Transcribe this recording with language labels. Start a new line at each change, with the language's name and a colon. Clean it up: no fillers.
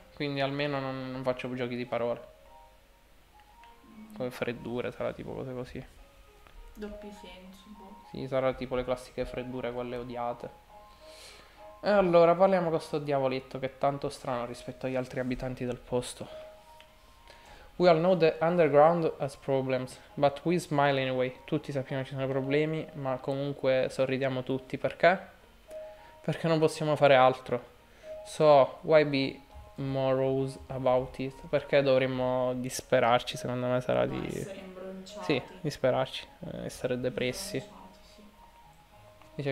Italian: Quindi almeno non faccio più giochi di parole. Come freddure, sarà tipo cose Doppi sensi, boh. così. Sì, sarà tipo le classiche freddure, quelle odiate. E allora, parliamo con sto diavoletto che è tanto strano rispetto agli altri abitanti del posto.
English: We all know the underground has problems, but we smile anyway.
Italian: Tutti sappiamo che ci sono problemi, ma comunque sorridiamo tutti. Perché? Perché non possiamo fare altro.
English: So, why be morose about it?
Italian: Perché dovremmo disperarci, secondo me sarà No, di. essere Sì, imbronciati. Imbronciati, disperarci, essere depressi. Dice